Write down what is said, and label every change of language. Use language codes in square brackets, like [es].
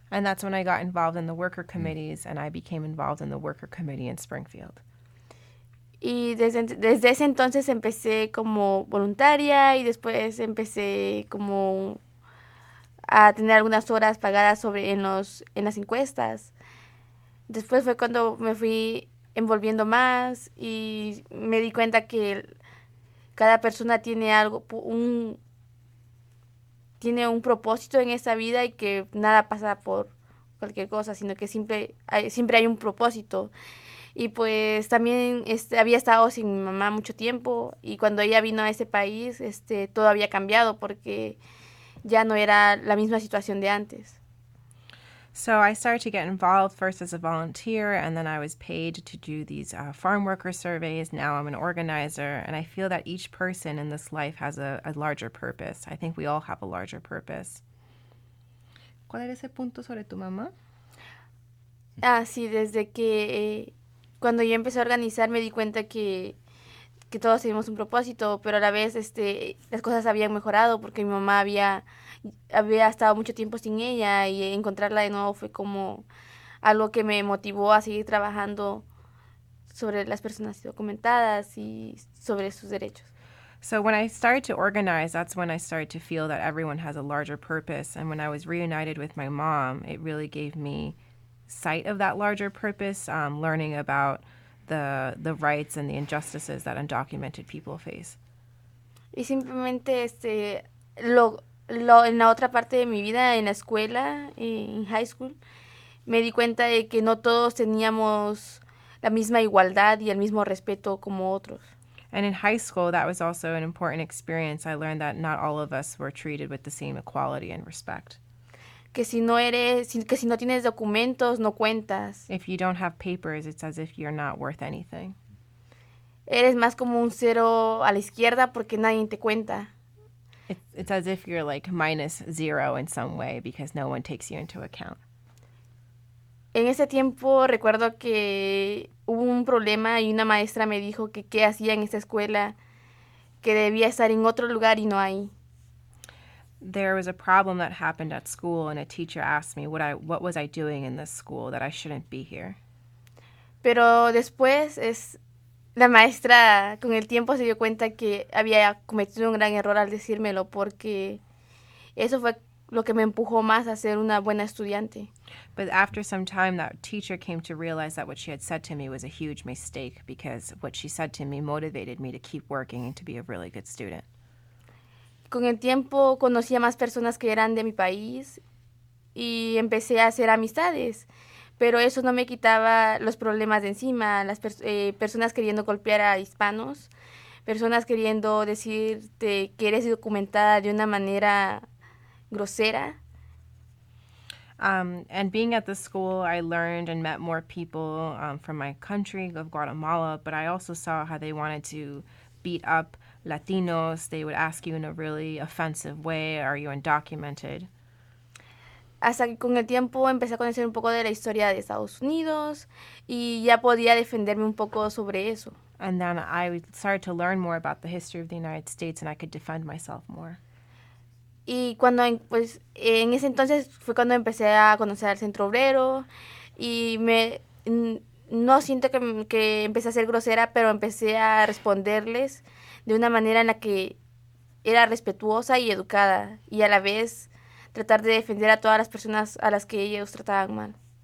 [en] And that's when I got involved in the worker committees and I became involved in the worker committee in Springfield. [es] Y desde ese entonces empecé como voluntaria y después empecé como a tener algunas horas pagadas en las encuestas. Después fue cuando me fui envolviendo más y me di cuenta que cada persona tiene un propósito en esta vida y que nada pasa por cualquier cosa, sino que siempre hay un propósito. Y pues también había estado sin mi mamá mucho tiempo y cuando ella vino a ese país, todo había cambiado porque ya no era la misma situación de antes. [en] So I started to get involved first as a volunteer, and then I was paid to do these farm worker surveys. Now I'm an organizer, and I feel that each person in this life has a larger purpose. I think we all have a larger purpose. [es] ¿Cuál era ese punto sobre tu mamá? Ah, sí, desde que cuando yo empecé a organizar me di cuenta que todos teníamos un propósito, pero a la vez las cosas habían mejorado porque mi mamá había estado mucho tiempo sin ella y encontrarla de nuevo fue como algo que me motivó a seguir trabajando sobre las personas indocumentadas y sobre sus derechos. [en] So when I started to organize, that's when I started to feel that everyone has a larger purpose. And when I was reunited with my mom, it really gave me sight of that larger purpose, learning about the rights and the injustices that undocumented people face. [es] Y simplemente lo en la otra parte de mi vida, en la escuela, en high school, me di cuenta de que no todos teníamos la misma igualdad y el mismo respeto como otros. [en] And in high school, that was also an important experience. I learned that not all of us were treated with the same equality and respect. [es] que si no eres, que si no tienes documentos, no cuentas. [en] If you don't have papers, it's as if you're not worth anything. [es] Eres más como un cero a la izquierda porque nadie te cuenta. [en] It's as if you're like minus zero in some way because no one takes you into account. [es] En ese tiempo recuerdo que hubo un problema y una maestra me dijo que qué hacía en esa escuela, que debía estar en otro lugar y no ahí. [en] There was a problem that happened at school and a teacher asked me what was I doing in this school, that I shouldn't be here. [es] Pero después es la maestra con el tiempo se dio cuenta que había cometido un gran error al decírmelo porque eso fue lo que me empujó más a ser una buena estudiante. [en] But after some time, that teacher came to realize that what she had said to me was a huge mistake because what she said to me motivated me to keep working and to be a really good student. [es] Con el tiempo, conocí a más personas que eran de mi país y empecé a hacer amistades. Pero eso no me quitaba los problemas de encima, las personas queriendo golpear a hispanos, personas queriendo decirte que eres indocumentada de una manera grosera. [en] And being at the school, I learned and met more people from my country of Guatemala, but I also saw how they wanted to beat up Latinos. They would ask you in a really offensive way, are you undocumented? [es] Hasta que con el tiempo empecé a conocer un poco de la historia de Estados Unidos y ya podía defenderme un poco sobre eso. [en] And then I started to learn more about the history of the United States and I could defend myself more. [es] Y cuando, pues, en ese entonces fue cuando empecé a conocer al Centro Obrero y me, no siento que empecé a ser grosera, pero empecé a responderles de una manera en la que era respetuosa y educada y a la vez tratar de defender a todas las personas a las que ellos trataban mal.